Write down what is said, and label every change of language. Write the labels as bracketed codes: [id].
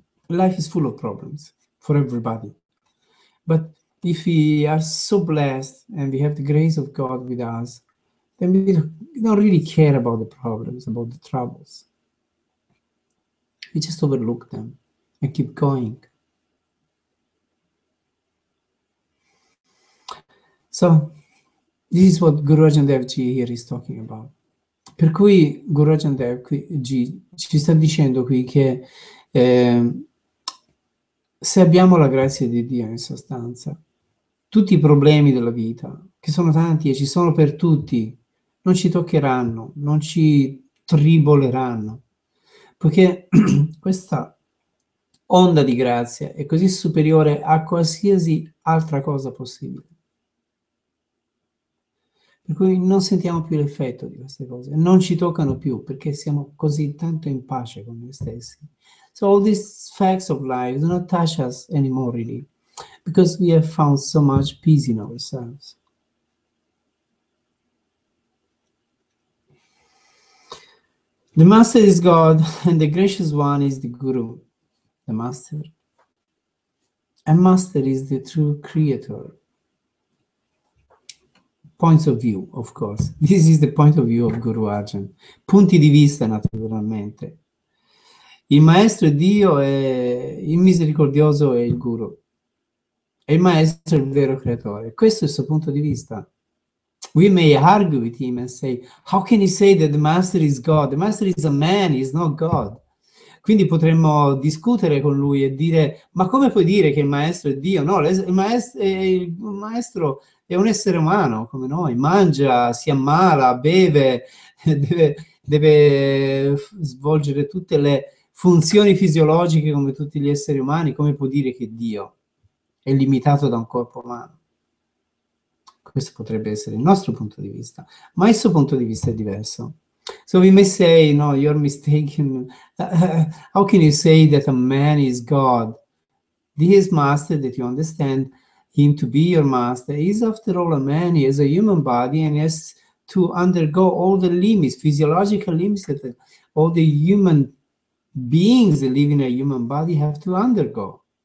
[en] Life is full of problems for everybody. But if we are so blessed and we have the grace of God with us, then we don't really care about the problems, about the troubles. We just overlook them and keep going. So, this is what Guru Arjan Dev Ji here is talking about. [it] Per cui Guru Arjan Dev Ji ci sta dicendo qui che se abbiamo la grazia di Dio, in sostanza, tutti i problemi della vita, che sono tanti e ci sono per tutti, non ci toccheranno, non ci triboleranno. Poiché questa onda di grazia è così superiore a qualsiasi altra cosa possibile. Per cui non sentiamo più l'effetto di queste cose, non ci toccano più, perché siamo così tanto in pace con noi stessi. [en] So all these facts of life do not touch us anymore, really, because we have found so much peace in ourselves. The Master is God, and the Gracious One is the Guru, the Master. And Master is the true Creator. Points of view, of course. This is the point of view of Guru Arjan. [it] Punti di vista, naturalmente. Il maestro è Dio e il misericordioso è il Guru. E il maestro è il vero creatore. Questo è il suo punto di vista. [en] We may argue with him and say, how can he say that the master is God? The master is a man, he's not God. [it] Quindi potremmo discutere con lui e dire, ma come puoi dire che il maestro è Dio? No, il maestro è un essere umano come noi, mangia, si ammala, beve, deve svolgere tutte le funzioni fisiologiche come tutti gli esseri umani. Come può dire che Dio è limitato da un corpo umano? Questo potrebbe essere il nostro punto di vista, ma il suo punto di vista è diverso. [en] So we may say, no, you're mistaken. How can you say that a man is God? This master that you understand him to be your master is, after all, a man. He has a human body and he has to undergo all the limits, physiological limits that all the human beings that live in a human body have to undergo.